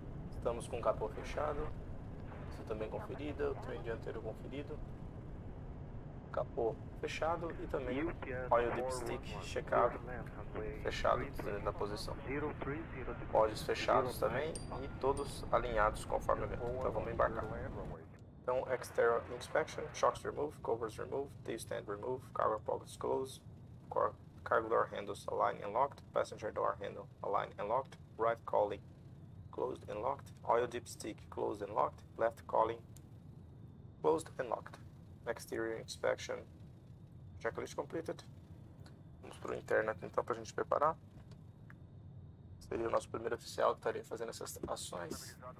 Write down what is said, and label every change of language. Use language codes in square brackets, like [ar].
[pt] Estamos com o capô fechado, isso também conferido, o trem dianteiro conferido, capô fechado e também óleo dipstick checado, fechado na posição. Pods fechados também e todos alinhados conforme o vento. Então vamos embarcar. [en] Então, exterior inspection, shocks removed, covers removed, tail stand removed, cargo pockets closed, cargo door handles aligned and locked, passenger door handle aligned and locked, right collie closed and locked, oil dipstick closed and locked, left collie closed and locked. Exterior inspection checklist completed. [pt] Vamos para o interno aqui então para a gente preparar. Seria o nosso primeiro oficial que estaria fazendo essas ações.